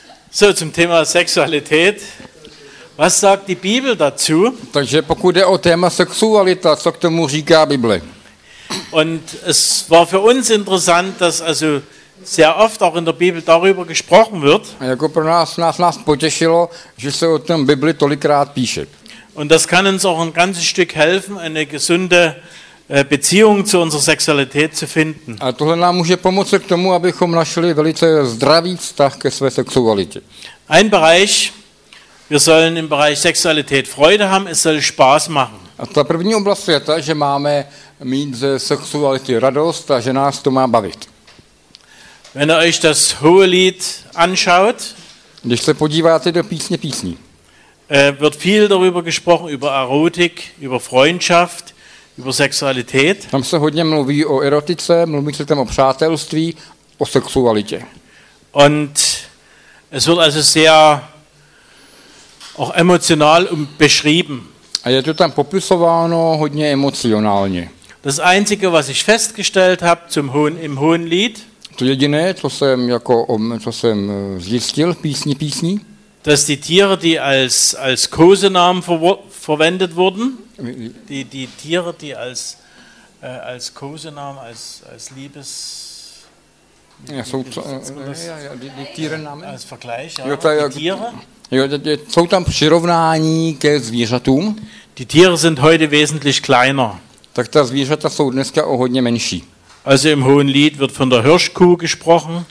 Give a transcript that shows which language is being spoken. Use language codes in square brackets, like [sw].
[de] So, zum Thema Sexualität. Was sagt die Bibel dazu? [cs] Takže pokud jde o téma sexualita, co k tomu říká Bible? [de] Und es war für uns interessant, dass also sehr oft auch in der Bibel darüber gesprochen wird. [cs] A jako pro nás potěšilo, že se o tom Bibli tolikrát píše. [de] Und das kann uns auch ein ganzes Stück helfen, eine gesunde Beziehung zu unserer Sexualität zu finden. [cs] A tohle nám může pomoci k tomu, abychom našli velice zdravý vztah ke své sexualitě. [de] Ein Bereich, wir sollen im Bereich Sexualität Freude haben, es soll Spaß machen. [cs] A ta první oblast je ta, že máme mít ze sexuality radost a že nás to má bavit. [de] Wenn ihr euch das Hohelied anschaut, [cs] když se podíváte do písně písní, [de] wird viel darüber gesprochen, über Erotik, über Freundschaft, über Sexualität. [cs] Tam se hodně mluví o erotice, mluví se tam o přátelství, o sexualitě. [de] Und es wird also sehr auch emotional beschrieben. [cs] A je to tam popisováno hodně emocionálně. [de] Das Einzige, was ich festgestellt habe zum im Hohenlied, [cs] to jediné, co jsem zjistil v písni písní, [de] dass die Tiere, die als Kosenamen verwendet wurden, die Tiere, die als Kosenamen, als Liebes... Ja, so, die Tierennamen. Als Vergleich, ja, [cs] jo, ta, [de] die [cs] jak, Tiere. Jo, die, jsou tam přirovnání ke zvířatům. [de] Die Tiere sind heute wesentlich kleiner. [cs] Tak ta zvířata jsou dneska o hodně menší. [de] Also im Hohenlied wird von der Hirschkuh gesprochen.